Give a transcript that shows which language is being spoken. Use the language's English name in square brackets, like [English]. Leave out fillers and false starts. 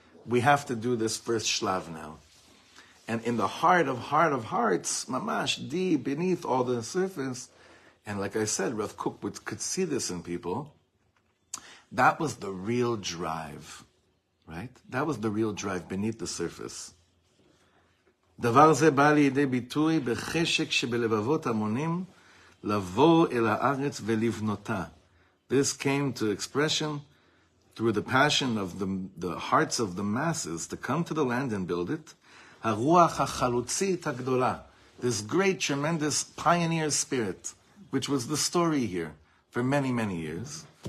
[English] We have to do this first shlav now. And in the heart of hearts, mamash, deep beneath all the surface, and like I said, Rav Kook could see this in people, that was the real drive, right? That was the real drive beneath the surface. [Hebrew] דבר זה בא לידי ביטוי בחשק שבלבבות המונים לבוא אל הארץ ולבנותה. [English] This came to expression through the passion of the hearts of the masses to come to the land and build it. [Hebrew] הרוח החלוצית הגדולה. [English] This great, tremendous pioneer spirit, which was the story here for many, many years.